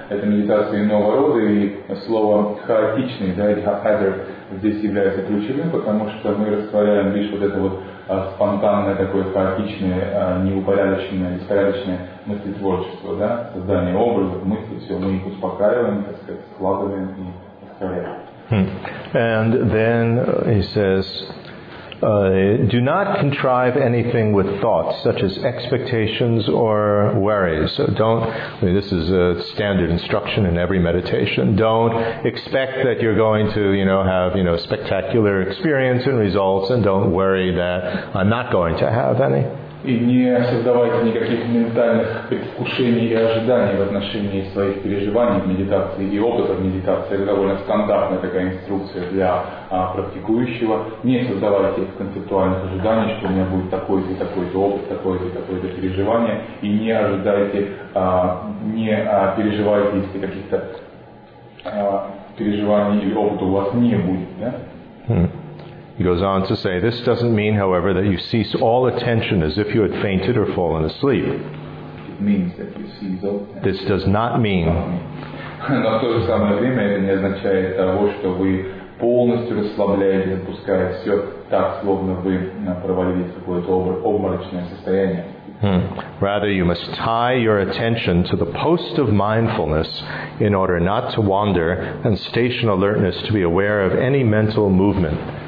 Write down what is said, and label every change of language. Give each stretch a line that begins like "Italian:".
Russian: Это медитация иного рода, и слово хаотичный, да, или haphazard, здесь является ключевым, потому что мы растворяем лишь вот это вот спонтанное, такое хаотичное, неупорядоченное, беспорядочное мыслетворчество, да, создание образов, мысли, все, мы их успокаиваем, так сказать, складываем и.
English: And then he says, do not contrive anything with thoughts, such as expectations or worries. So don't, I mean, this is a standard instruction in every meditation. Don't expect that you're going to, you know, have, you know, spectacular experience and results, and don't worry that I'm not going to have any.
Russian: И не создавайте никаких ментальных предвкушений и ожиданий в отношении своих переживаний в медитации и опыта в медитации. Это довольно стандартная такая инструкция для практикующего. Не создавайте концептуальных ожиданий, что у меня будет такой-то и такой-то опыт, такое-то и такое-то переживание. И не ожидайте, переживайте, если каких-то переживаний или опыта у вас не будет. Да?
English: He goes on to say, this doesn't mean, however, that you cease all attention as if you had fainted or fallen asleep. It means that you cease all attention. This does not mean.
Russian: Но в то же самое время это не означает того, что вы полностью расслабляетесь, отпуская все так, словно вы провалились в какое-то обморочное состояние.
English: Rather, you must tie your attention to the post of mindfulness in order not to wander and station alertness to be aware of any mental movement.